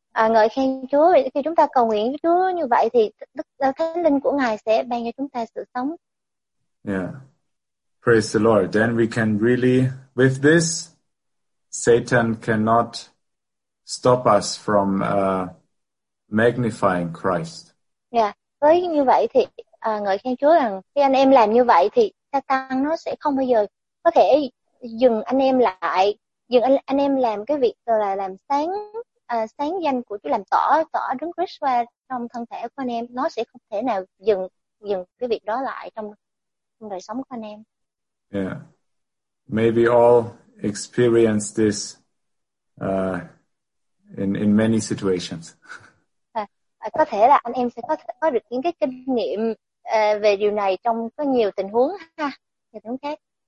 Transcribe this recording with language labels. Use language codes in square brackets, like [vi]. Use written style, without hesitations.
[vi] Ngợi khen Chúa, khi chúng ta cầu nguyện với Chúa như vậy thì thánh linh của Ngài sẽ ban cho chúng ta sự sống. [en] Yeah, praise the Lord. Then we can really, with this, Satan cannot stop us from magnifying Christ. [vi] Yeah, với như vậy thì ngợi khen Chúa rằng khi anh em làm như vậy thì Satan nó sẽ không bao giờ có thể dừng anh em lại, dừng anh em làm cái việc là làm sáng sáng danh của Chúa, làm tỏ đứng Christ qua trong thân thể của anh em, nó sẽ không thể nào dừng cái việc đó lại trong đời sống của anh em. [en] Yeah, maybe all experience this in many situations. [vi] Có thể là anh em sẽ có được những cái kinh nghiệm về điều này trong có nhiều tình huống ha, nhiều tình huống khác.